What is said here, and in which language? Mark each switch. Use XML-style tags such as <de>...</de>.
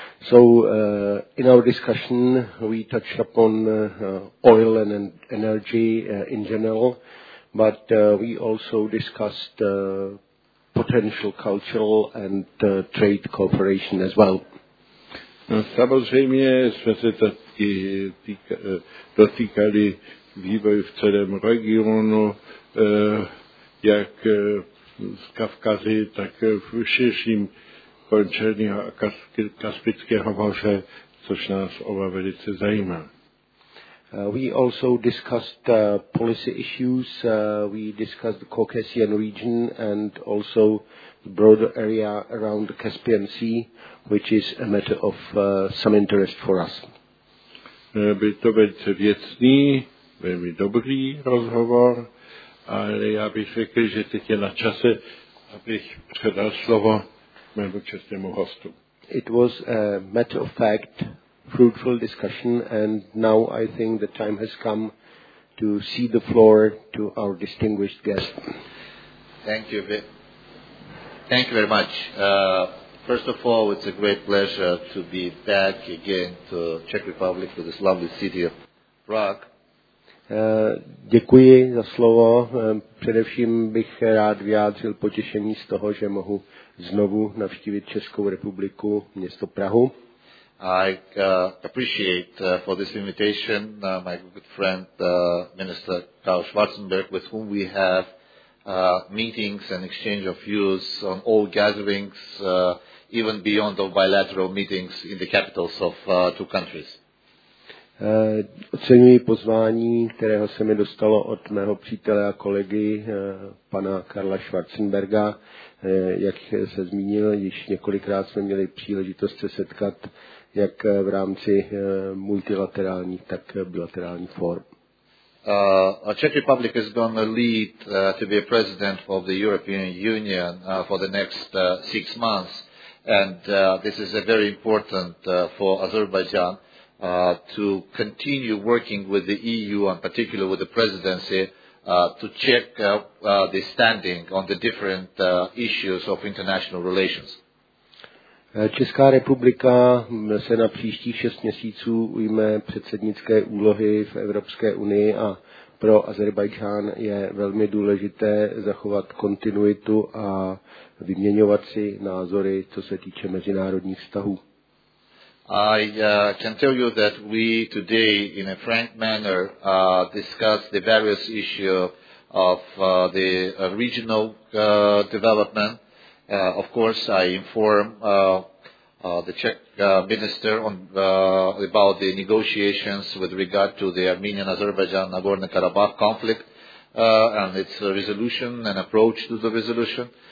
<en>So in our discussion, we touched upon oil and energy in general, but we also discussed potential cultural and trade cooperation as well.</en> <cs>Samozřejmě jsme se taky dotýkali vývoj v celém regionu, jak z Kavkazy, tak v širším končelního a Kaspického moře, což nás oba velice zajímá.</cs> <en>We also discussed policy issues. We discussed the Caucasian region and also the broader area around the Caspian Sea, which is a matter of some interest for us.</en> <cs>Byl to velice věcný, velmi dobrý rozhovor, ale já bych řekl, že teď je na čase, abych předal slovo mému čestnému hostu.</cs> <en>It was a matter of fact, fruitful discussion, and now I think the time has come to cede the floor to our distinguished guest. Thank you very much. First of all, it's a great pleasure to be back again to Czech Republic, to this lovely city of Prague.</en> <cs>Děkuji za slovo. Především bych rád vyjádřil potěšení z toho, že mohu znovu navštívit Českou republiku, město Prahu.</cs> <en>I appreciate for this invitation my good friend Minister Karl Schwarzenberg, with whom we have meetings and exchange of views on all gatherings, even beyond the bilateral meetings in the capitals of two countries.</en> <cs>Oceňuji pozvání, kterého se mi dostalo od mého přítele a kolegy, pana Karla Schwarzenberga. Jak se zmínil, již několikrát jsme měli příležitost se setkat, jak v rámci multilaterálních, tak bilaterálních form.</cs> <en>Czech Republic is going to lead to be a president of the European Union for the next 6 months. And this is a very important for Azerbaijan to continue working with the EU and particularly with the presidency to check the standing on the different issues of international relations.</en> <cs>Česká republika se na příštích 6 měsíců ujme předsednické úlohy v Evropské unii a pro Azerbajdžán je velmi důležité zachovat kontinuitu a vyměňovat si názory, co se týče mezinárodních vztahů.</cs> <en>I can tell you that we today in a frank manner discuss the various issues of the regional development. Of course, I inform the Czech minister on about the negotiations with regard to the Armenian-Azerbaijan Nagorno-Karabakh conflict and its resolution and approach to the resolution.</en>